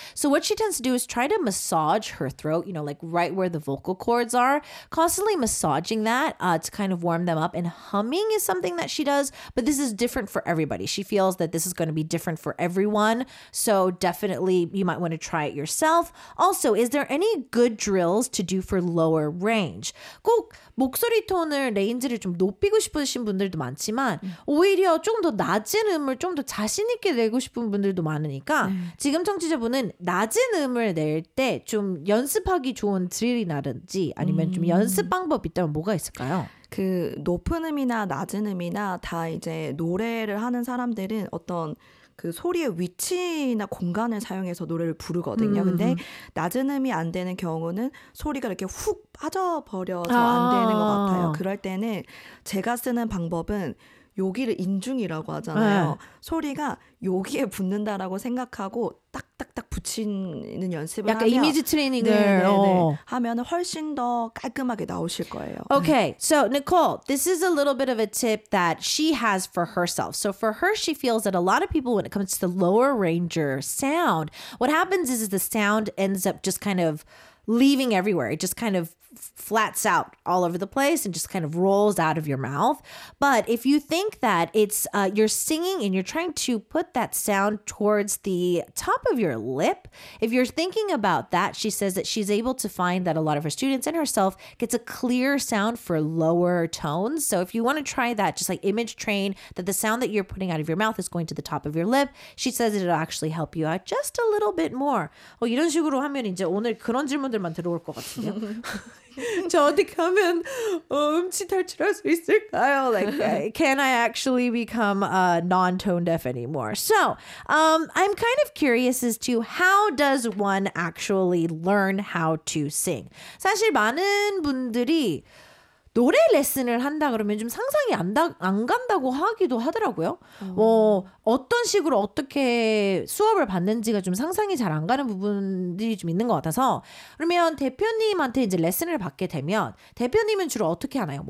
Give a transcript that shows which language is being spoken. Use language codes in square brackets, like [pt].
[en] So what she tends to do is try to massage her throat, you know, like right where the vocal cords are, constantly massaging that to kind of warm them up. And humming is something that she does, but this is different for everybody. She feels that this is going to be different for everyone. So definitely you might want to try it yourself. Also, is there any good drills to do for lower range? [ko] 꼭 목소리 톤을 레인지를 좀 높이고 싶으신 분들 분들도 많지만 오히려 좀 더 낮은 음을 좀 더 자신 있게 내고 싶은 분들도 많으니까 지금 청취자분은 낮은 음을 낼 때 좀 연습하기 좋은 드릴이라든지 아니면 좀 연습 방법 있다면 뭐가 있을까요? 그 높은 음이나 낮은 음이나 다 이제 노래를 하는 사람들은 어떤 그 소리의 위치나 공간을 사용해서 노래를 부르거든요. 근데 낮은 음이 안 되는 경우는 소리가 이렇게 훅 빠져버려서 안 되는 것 같아요. 그럴 때는 제가 쓰는 방법은 여기를 인중이라고 하잖아요. 네. 소리가 여기에 붙는다라고 생각하고 딱딱딱 붙이는 연습을 약간 하면 이미지 트레이닝을 하면 훨씬 더 깔끔하게 나오실 거예요. [en] Okay, so Nicole, this is a little bit of a tip that she has for herself. So for her, she feels that a lot of people, when it comes to the lower ranger sound, what happens is the sound ends up just kind of leaving everywhere. It just kind of flats out all over the place and just kind of rolls out of your mouth. But if you think that it's you're singing and you're trying to put that sound towards the top of your lip, if you're thinking about that, she says that she's able to find that a lot of her students and herself gets a clear sound for lower tones. So if you want to try that, just like image train that the sound that you're putting out of your mouth is going to the top of your lip, she says it'll actually help you out just a little bit more. [ko] 이런 식으로 하면 이제 오늘 그런 질문들만 들어올 것 같은데요. 저 어떻게 하면 음치 탈출할 수 있을까요? [en] Like, can I actually become non-tone deaf anymore? So, I'm kind of curious as to how does one actually learn how to sing? [ko] 사실 많은 분들이 노래 레슨을 한다 그러면 좀 상상이 안 간다고 하기도 하더라고요. 뭐 어떤 식으로 어떻게 수업을 받는지가 좀 상상이 잘 안 가는 부분들이 좀 있는 것 같아서 그러면 대표님한테 이제 레슨을 받게 되면 대표님은 주로 어떻게 하나요?